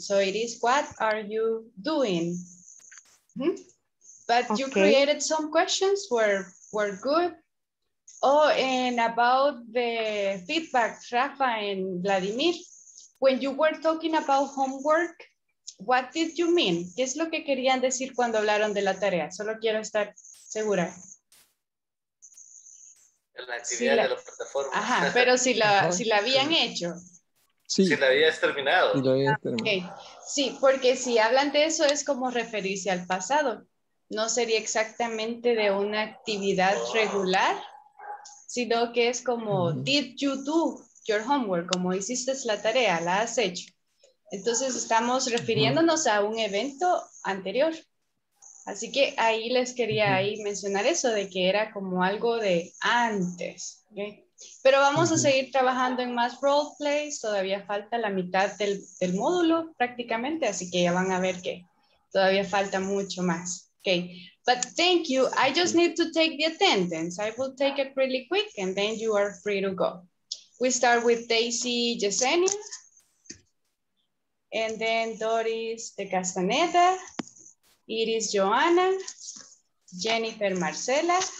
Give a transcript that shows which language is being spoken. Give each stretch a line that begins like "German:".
English: So it is, what are you doing? But okay. You created some questions were good. Oh, and about the feedback, Rafa and Vladimir, when you were talking about homework, what did you mean?
Spanish: ¿Qué es lo que querían decir cuando hablaron de la tarea? Solo quiero estar segura. La actividad de la plataforma. Ajá, pero si la habían hecho. Sí. Si la habías terminado. Sí, okay. Sí, porque si hablan de eso es como referirse al pasado. No sería exactamente de una actividad regular, sino que es como,
English: did you do your homework?
Spanish: Como hiciste la tarea, la has hecho. Entonces estamos refiriéndonos a un evento anterior. Así que ahí les quería ahí mencionar eso, de que era como algo de antes. ¿Okay? Pero vamos a seguir trabajando en más role plays. Todavía falta la mitad del módulo prácticamente, así que ya van a ver que todavía falta mucho más.
English: Okay, but thank you. I just need to take the attendance. I will take it really quick and then you are free to go. We start with Daisy Yesenia. And then Doris de Castaneda, Iris Joana, Jennifer Marcela.